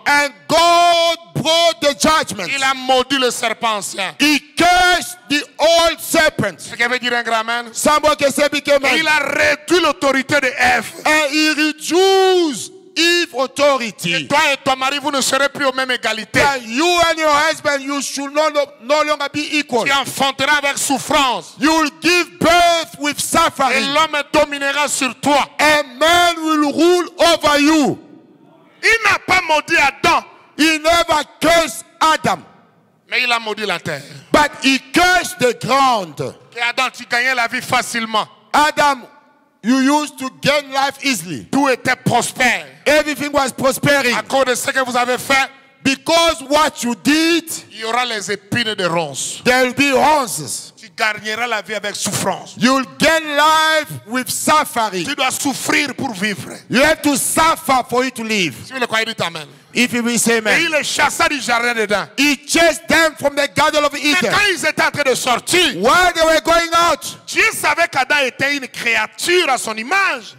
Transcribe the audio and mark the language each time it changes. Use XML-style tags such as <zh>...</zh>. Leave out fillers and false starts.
<en>And God brought the judgment.</en> <fr>Il a maudit le serpent ancien.</fr> <en>He cursed the old serpent.</en> <fr>Ce que veut dire un grand man?</fr> <en>Somebody can say big man.</en> <fr>Il a réduit l'autorité de Eve.</fr> <en>And he reduced Eve authority.</en> <fr>Et toi et ton mari, vous ne serez plus au même égalité.</fr> <en>That you and your husband, you should no longer be equal.</en> <fr>Tu enfanteras avec souffrance.</fr> <en>You will give birth with suffering.</en> <fr>Et l'homme dominera sur toi.</fr> <en>A man will rule over you.</en> <fr>Il n'a pas maudit Adam.</fr> <en>He never cursed Adam.</en> <fr>Mais il a maudit la terre.</fr> <en>But he cursed the ground.</en> <fr>Et Adam, tu gagnais la vie facilement.</fr> <en>Adam, you used to gain life easily.</en> <fr>Tout était prospère.</fr> <en>Everything was prospering.</en> <fr>À cause de ce que vous avez fait.</fr> <en>Because what you did.</en> <fr>Il y aura les épines de ronces.</fr> <en>There will be horses.</en> <fr>Tu gagneras la vie avec souffrance.</fr> <en>You'll gain life with suffering.</en> <fr>Tu dois souffrir pour vivre.</fr> <en>You have to suffer for you to live.</en> <fr>Si vous le croyez, dites amen.</fr> <en>If you will say amen.</en> <fr>Et il les chassa du jardin d'Eden.</fr> <en>He chased them from the garden of Eden.</en> <fr>Mais quand ils étaient en train de sortir.</fr> <en>While they were going out.</en> <fr>Dieu savait qu'Adam était une créature à son image.</fr>